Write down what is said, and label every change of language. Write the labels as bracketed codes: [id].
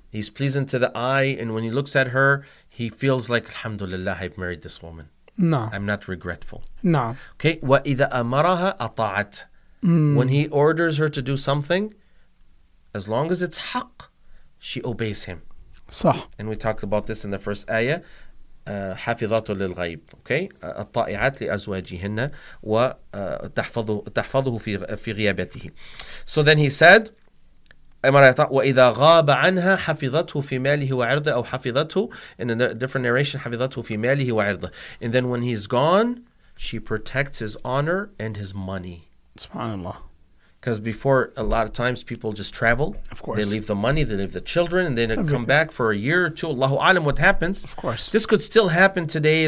[en] He's pleasing to the eye, and when he looks at her, he feels like, Alhamdulillah, I've married this woman. No. I'm not regretful. No. Okay? [ar] وَإِذَا أَمَرَهَا أَطَاعَتْ. [en] When he orders her to do something, as long as it's haq, she obeys him. [ar] صح. [en] And we talked about this in the first ayah. [ar] حافظات للغيب. [en] Okay. [ar] الطائعات لأزواجهن وتحفظه في غيابته. [en] So then he said, [ar] وإذا غاب عنها حفظته في ماله وعرضه أو حفظته. [en] In a different narration, [ar] حفظته في ماله وعرضه. [en] And then when he's gone, she protects his honor and his money. SubhanAllah. Because before, a lot of times people just travel. Of course. They leave the money, they leave the children, and then come back for a year or two. Allahu alam, what happens? Of course. This could still happen today.